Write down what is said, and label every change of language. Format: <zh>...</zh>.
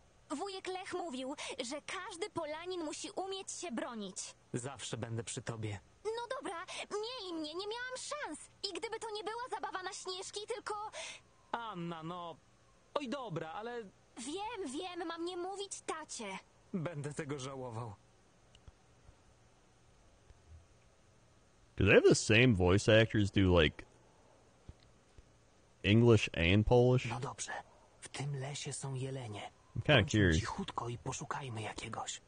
<pl>Wujek Lech mówił, że każdy Polanin musi umieć się bronić. Zawsze będę przy tobie. No dobra, miej mnie, nie miałam szans. I gdyby to nie była zabawa na śnieżki, tylko... Anna, no... Oj, dobra, ale... Wiem, wiem, mam nie mówić tacie. Będę tego żałował.</pl> <en>Do they have the same voice actors do, like... English and Polish?</en> <pl>No dobrze, w tym lesie są jelenie.</pl> <en>I'm kind of curious.</en> <pl>Cichutko i poszukajmy jakiegoś.</pl>